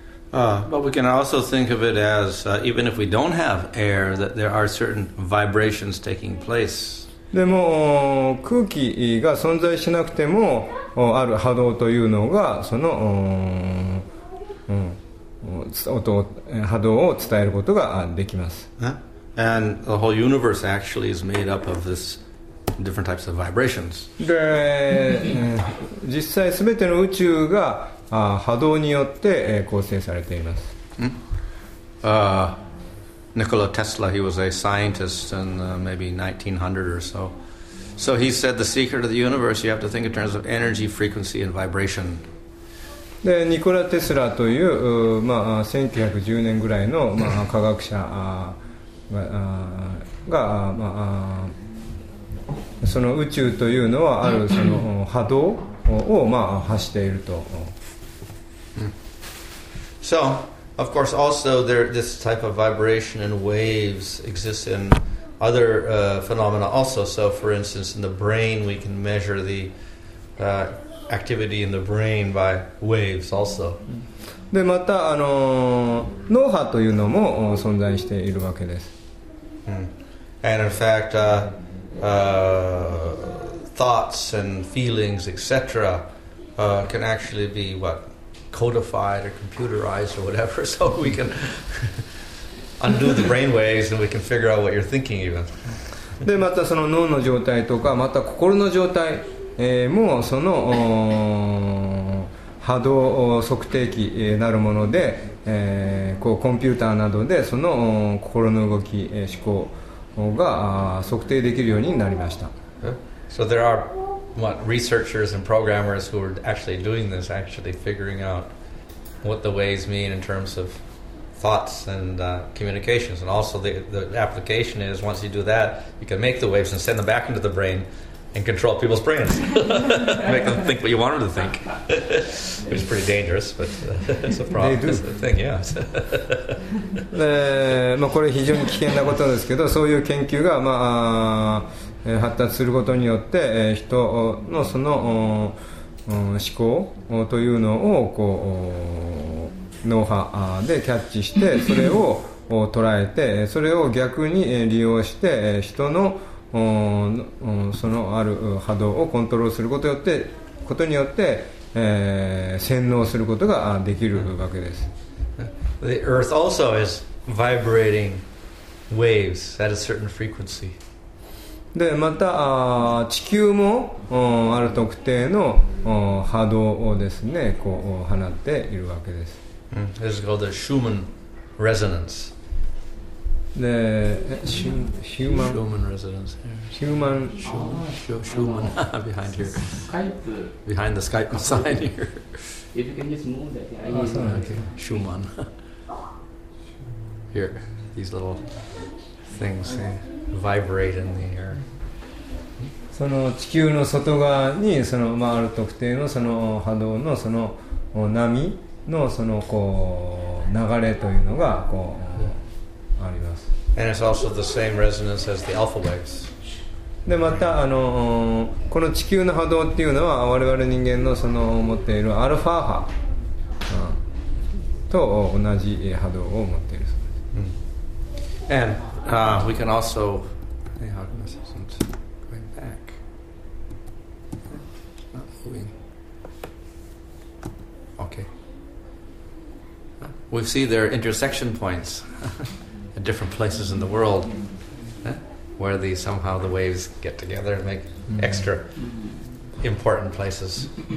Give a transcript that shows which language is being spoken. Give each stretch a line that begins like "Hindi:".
English: But we can also think of it as even if we don't have air that there are certain vibrations taking place.
Japanese: でも空気が存在しなくてもある波動というのがその波動を伝えることができます。
English: And the whole universe actually is made up of this different types of vibrations.
Japanese: で、実際すべての宇宙が波動によって構成されています。
English: Nikola Tesla, he was a scientist in maybe 1900 or so. So he said the secret of the universe, you have to think in terms of energy, frequency, and vibration.
Japanese: で、ニコラ・テスラという、まあ、1910年ぐらいの、まあ、科学者が、まあ、その宇宙というのはあるその波動を、まあ、発していると。
English: So, of course, also there, this type of vibration and waves exist in other phenomena also. So, for instance, in the brain, we can measure the activity in the brain by waves also.
Japanese: で、また、脳波というのも存在しているわけです。
English: And in fact, thoughts and feelings, etc., can actually be what? Codified or computerized or whatever, so we can undo the brain waves and we can figure out what you're thinking even.
Japanese: で、またその脳の状態とか、また心の状態もその波動測定器なるもので、こうコンピューターなどでその心の動き、思考が測定できるようになりました。
English: So there are what researchers and programmers who are actually doing this, actually figuring out what the waves mean in terms of thoughts and communications, and also the application is once you do that, you can make the waves and send them back into the brain. And control people's brains, make them think what you want them to think, which is pretty dangerous, but it's a problem. It's a thing, yes.
Japanese: で、まあこれ非常に危険なことですけど、そういう研究がまあ発達することによって、人のその思考というのをこう脳波でキャッチして、それを捉えて、それを逆に利用して人のそのある波動をコントロールすることによって、ことによって、洗脳することができるわけです。
English: The earth also is vibrating waves at a certain frequency.
Japanese: で、また地球もある特定の波動をですね、こう放っているわけです。
English: This is called the Schumann resonance. で、 Schumann resonance. Schumann. Schumann behind here. Skype. Behind the Skype sign here. If you can just move that, yeah. Oh, sorry. Okay. Schumann. Here, these little things vibrate in the air.
Japanese: その地球の外側にそのまあある特定のその波動のその波のそのこう流れというのがこう。
English: And it's also the same resonance as the alpha waves.
Japanese: で、またこの地球の波動っていうのは我々人間のその持っているアルファ波と同じ波動を持っているそうです。
English: And we can also hey, how come this isn't going back? Not moving. Okay. We see there are intersection points. Different places in the world where the somehow the waves get together and make extra important places.